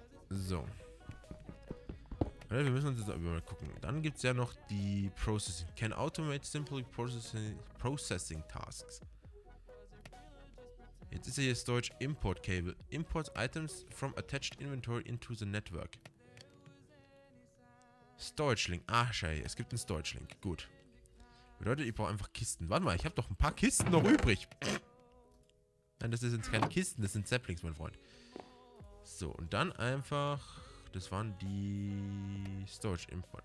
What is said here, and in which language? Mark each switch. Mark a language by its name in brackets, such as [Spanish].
[German] So. Wir müssen uns jetzt mal gucken. Dann gibt es ja noch die Processing. [English] Can automate simply processing tasks. [German] Jetzt ist ja hier Storage Import Cable. [English] Imports items from attached inventory into the network. [German] Storage Link. Ah, scheiße. Es gibt einen Storage Link. Gut. Bedeutet, ich brauche einfach Kisten. Warte mal, ich habe doch ein paar Kisten noch übrig. Nein, das sind keine Kisten. Das sind Saplings, mein Freund. So, und dann einfach... Das waren die Storage Import.